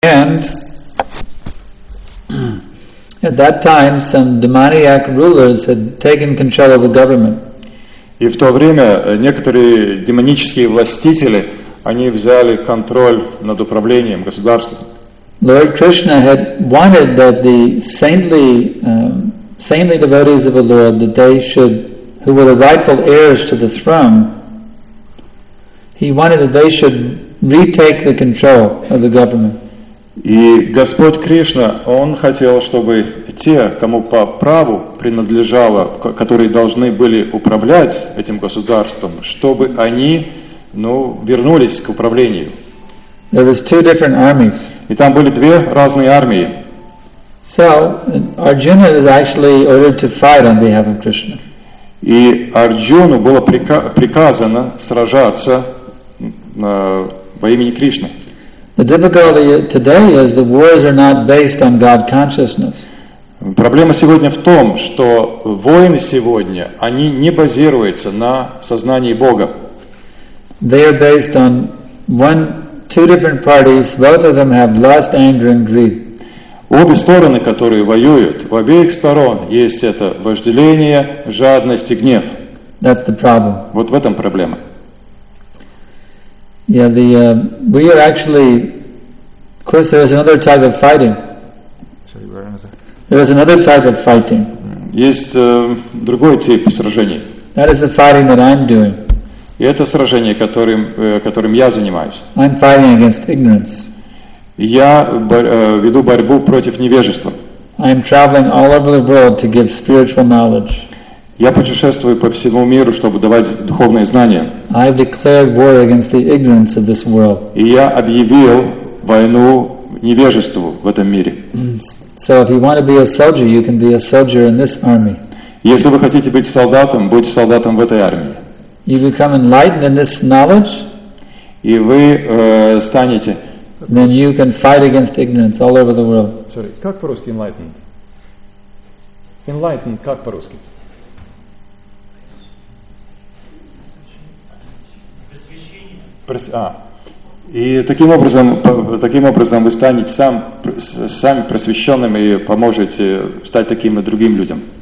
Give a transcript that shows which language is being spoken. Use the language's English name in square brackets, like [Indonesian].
[English] And at that time, some demoniac rulers had taken control of the government. [Russian] И в то время некоторые демонические властители, они взяли контроль над управлением государством. [English] Lord Krishna had wanted that the saintly, saintly devotees of the Lord, that they should, who were the rightful heirs to the throne, he wanted that they should retake the control of the government. [Russian] И Господь Кришна, Он хотел, чтобы те, кому по праву принадлежало, которые должны были управлять этим государством, чтобы они, ну, вернулись к управлению. [English] There was two different armies. [Russian] И там были две разные армии. [English] So, Arjuna was actually ordered to fight on behalf of Krishna. [Russian] И Арджуну было приказано сражаться во имени Кришны. [English] The difficulty today is the wars are not based on God consciousness. [Russian] Проблема сегодня в том, что войны сегодня, они не базируются на сознании Бога. [English] They are based on one, two different parties, both of them have lust, anger and greed. [Russian] Обе стороны, которые воюют, у обеих сторон есть это вожделение, жадность и гнев. [English] That's the problem. [Russian] Вот в этом проблема. [English] Yeah, the we are actually, of course, there is another type of fighting. Sorry, where is it? There is another type of fighting. [Russian] Есть другой тип сражений. [English] That is the fighting that I'm doing. [Russian] И это сражение, которым я занимаюсь. [English] I'm fighting against ignorance. [Russian] Я веду борьбу против невежества. [English] I'm traveling all over the world to give spiritual knowledge. [Russian] Я путешествую по всему миру, чтобы давать духовные знания. [English] I've declared war against the ignorance of this world. [Russian] И я объявил войну невежеству в этом мире. [English] So if you want to be a soldier, you can be a soldier in this army. [Russian] Если вы хотите быть солдатом, будьте солдатом в этой армии. [English] You become enlightened in this knowledge. [Russian] И вы станете. [English] Then you can fight against ignorance all over the world. Sorry, [Russian] как по-русски enlightened? Enlightened как по-русски? И таким образом вы станете сами просвещенным и поможете стать таким и другим людям.